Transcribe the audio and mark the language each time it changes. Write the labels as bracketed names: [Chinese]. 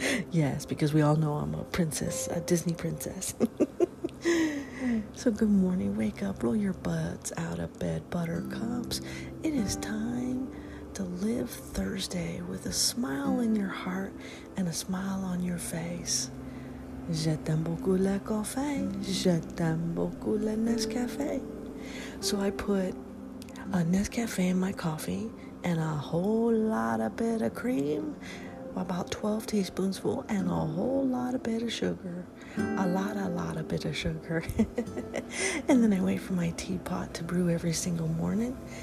[English] Yes, because we all know I'm a princess, a Disney princess. So good morning, wake up, roll your butts out of bed, buttercups. It is time to live Thursday with a smile in your heart and a smile on your face. [French] Je t'aime beaucoup le café, je t'aime beaucoup le Nescafé. [English] So I put a Nescafé in my coffee and a whole lot of bit of cream, about 12 teaspoons full, and a whole lot of bit of sugar. A lot of bit of sugar. And then I wait for my teapot to brew every single morning.